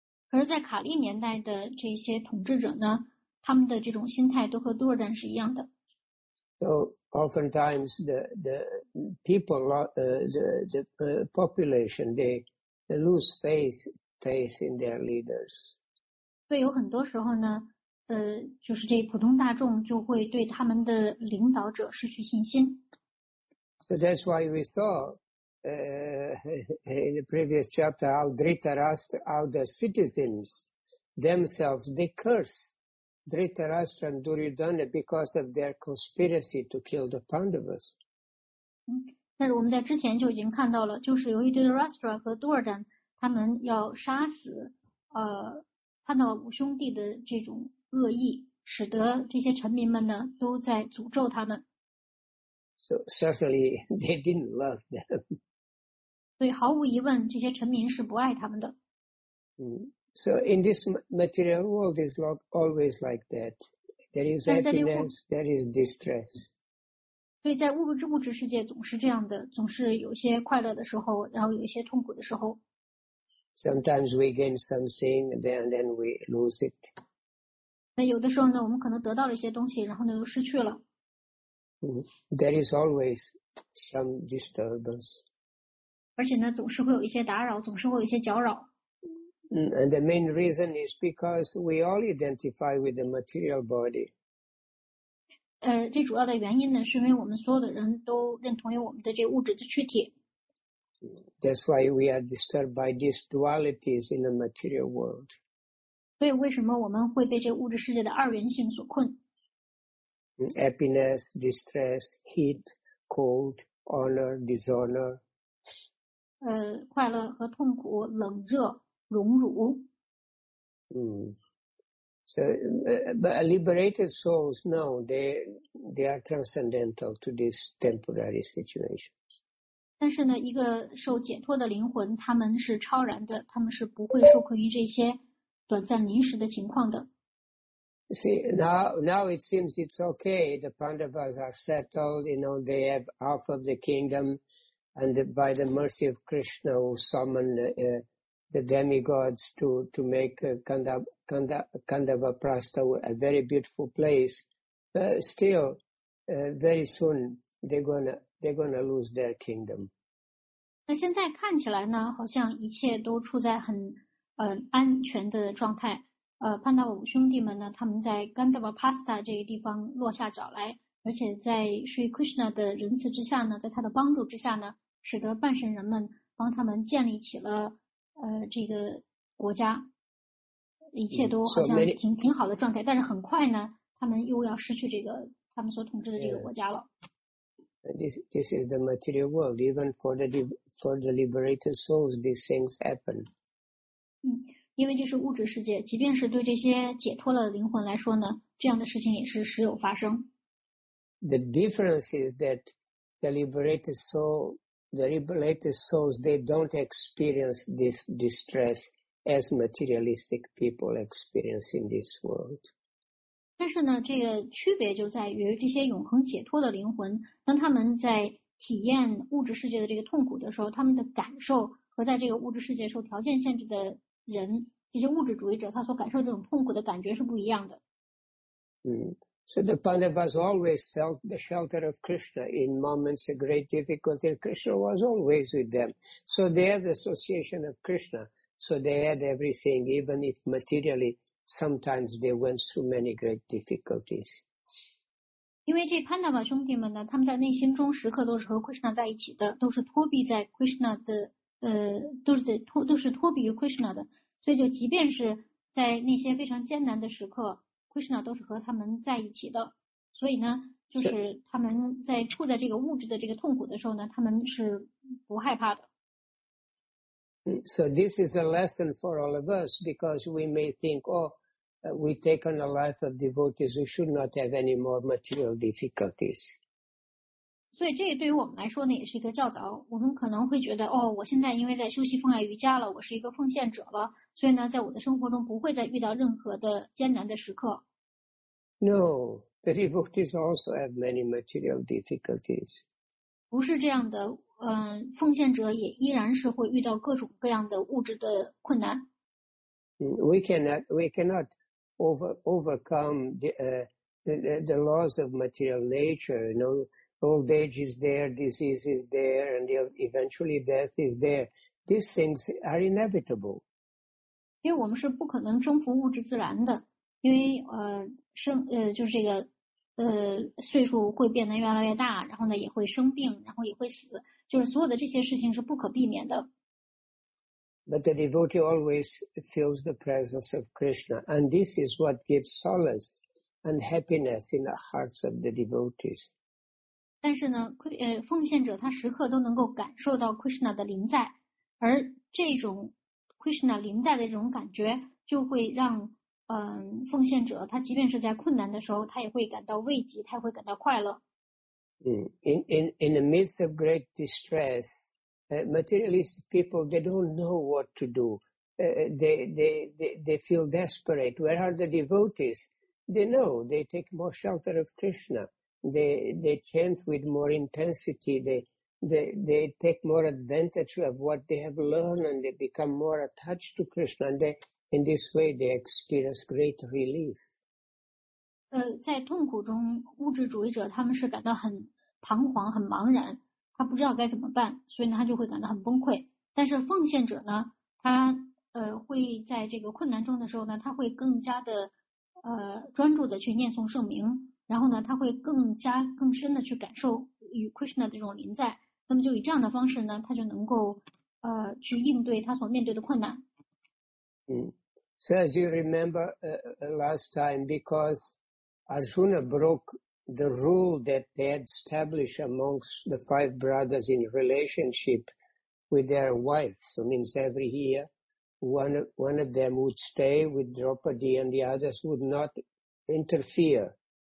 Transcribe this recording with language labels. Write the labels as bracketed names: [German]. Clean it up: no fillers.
[Chinese] 可是在卡利年代的这些统治者呢，他们的这种心态都和 Duryodhana 是一样的。 [English] So oftentimes the people, the population, they lose faith in their leaders. [Chinese] 对，有很多时候呢，就是这普通大众就会对他们的领导者失去信心。 [English] So that's why we saw in the previous chapter how Dhritarashtra, how the citizens themselves, they curse Dhritarashtra and Duryodhana because of their conspiracy to kill the Pandavas. [Chinese] 但是我们在之前就已经看到了，就是有一堆的 Rastra 和 Duerdan 他们要杀死帕纳五兄弟的这种恶意，使得这些臣民们呢都在诅咒他们。 [English] So certainly they didn't love them. [Chinese] 对，毫无疑问，这些臣民是不爱他们的。 [English] So in this material world, it's not always like that. There is happiness, there is distress. [Chinese] 对，在物质世界总是这样的，总是有些快乐的时候，然后有一些痛苦的时候。 [English] Sometimes we gain something, then we lose it. [Chinese] 那有的时候呢，我们可能得到了一些东西，然后呢又失去了。 [English] There is always some disturbance. [Chinese] 而且呢，总是会有一些打扰，总是会有一些搅扰。 [English] And the main reason is because we all identify with the material body. [Chinese] 最主要的原因呢，是因为我们所有的人都认同于我们的这个物质的躯体。 [English] That's why we are disturbed by these dualities in the material world. [Chinese] 所以为什么我们会被这物质世界的二元性所困？ [English] Happiness, distress, heat, cold, honor, dishonor. [Chinese] 快乐和痛苦，冷热，荣辱。 [English] But liberated souls, no, they are transcendental to this temporary situation. [Chinese] 但是呢，一个受解脱的灵魂，他们是超然的，他们是不会受困于这些短暂临时的情况的。 [English] See, now it seems it's okay. The Pandavas are settled, you know, they have half of the kingdom, and by the mercy of Krishna, who summoned the demigods to make Kandavaprastha a very beautiful place. Still, very soon, they're gonna lose their kingdom. [Chinese] 那现在看起来呢，好像一切都处在很安全的状态。潘达瓦五兄弟们呢，他们在甘德瓦帕斯塔这个地方落下脚来，而且在 Sri Krishna 的仁慈之下呢，在他的帮助之下呢，使得半神人们帮他们建立起了这个国家，一切都好像挺好的状态。但是很快呢，他们又要失去这个他们所统治的这个国家了。 [English] This is the material world. Even for the liberated souls, these things happen. [Chinese] 因为这是物质世界，即便是对这些解脱了的灵魂来说呢，这样的事情也是时有发生。 [English] The difference is that the liberated souls, they don't experience this distress as materialistic people experience in this world. [Chinese] 但是呢，这个区别就在于这些永恒解脱的灵魂，当他们在体验物质世界的这个痛苦的时候，他们的感受和在这个物质世界受条件限制的人，这些物质主义者，他所感受这种痛苦的感觉是不一样的。 [English] So the Pandavas always felt the shelter of Krishna in moments of great difficulty. Krishna was always with them, so they had the association of Krishna. So they had everything, even if materially sometimes they went through many great difficulties. [Chinese] 因为这 Pandava 兄弟们呢，他们在内心中时刻都是和 Krishna 在一起的，都是托庇在 Krishna 的。都是托庇于 Krishna 的，所以就即便是在那些非常艰难的时刻， Krishna 都是和他们在一起的。所以呢，就是他们在处在这个物质的这个痛苦的时候呢，他们是不害怕的。 [English] So this is a lesson for all of us, because we may think, we take on a life of devotees, we should not have any more material difficulties. [Chinese] 所以这对于我们来说呢，也是一个教导。我们可能会觉得，我现在因为在修习奉爱瑜伽了，我是一个奉献者了，所以呢，在我的生活中不会再遇到任何的艰难的时刻。 [English] No, the devotees also have many material difficulties. [Chinese] 不是这样的，奉献者也依然是会遇到各种各样的物质的困难。 [English] We cannot overcome the laws of material nature, you know. Old age is there, disease is there, and eventually death is there. These things are inevitable. [Chinese] 因为我们是不可能征服物质自然的，因为就是这个岁数会变得越来越大，然后呢也会生病，然后也会死，就是所有的这些事情是不可避免的。 [English] But the devotee always feels the presence of Krishna, and this is what gives solace and happiness in the hearts of the devotees. [Chinese] 但是呢，奉献者他时刻都能够感受到 Krishna 的临在，而这种 Krishna 临在的这种感觉，就会让奉献者他即便是在困难的时候，他也会感到慰藉，他也会感到快乐。 [English] In the midst of great distress, materialist people they don't know what to do. They feel desperate. Where are the devotees? They know. They take more shelter of Krishna. They chant with more intensity. They take more advantage of what they have learned, and they become more attached to Krishna. And they, in this way, they experience great relief. [Chinese] 在痛苦中，物质主义者他们是感到很彷徨、很茫然，他不知道该怎么办，所以呢，他就会感到很崩溃。但是奉献者呢，他会在这个困难中的时候呢，他会更加的专注的去念诵圣名，然后呢，他会更加更深的去感受与 Krishna 的这种临在。那么就以这样的方式呢，他就能够去应对他所面对的困难。 [English] 嗯 ，So as you remember last time, because Arjuna broke the rule that they had established amongst the five brothers in relationship with their wives. So means every year, one of them would stay with Draupadi and the others would not interfere.